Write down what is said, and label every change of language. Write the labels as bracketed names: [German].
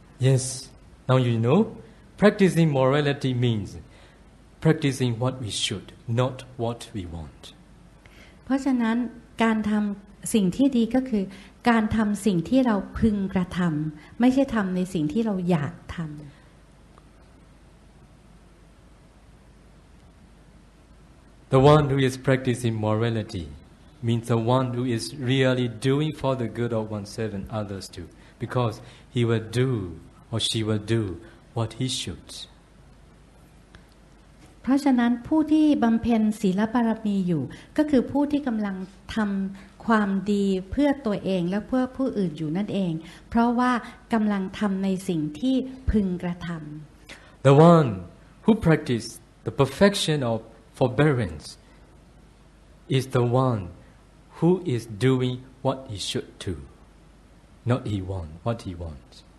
[English] Yes. Now you know, practicing morality means practicing what we should, not what we want. [Thai] เพราะฉะนั้นการทำสิ่งที่ดีก็คือการทำสิ่งที่เราพึงกระทำไม่ใช่ทำในสิ่งที่เราอยากทำ [English] The one who is practicing morality means the one who is really doing for the good of oneself and others too because he will do or she will do what he should [Thai] เพราะฉะนั้นผู้ที่บำเพ็ญศีลบารมีอยู่ก็คือผู้ที่กำลังทำความดีเพื่อตัวเองและเพื่อผู้อื่นอยู่นั่นเองเพราะว่ากำลังทำในสิ่งที่พึงกระทำ [English] The one who practice the perfection of forbearance is the one who is doing what he should do, not he want what he wants.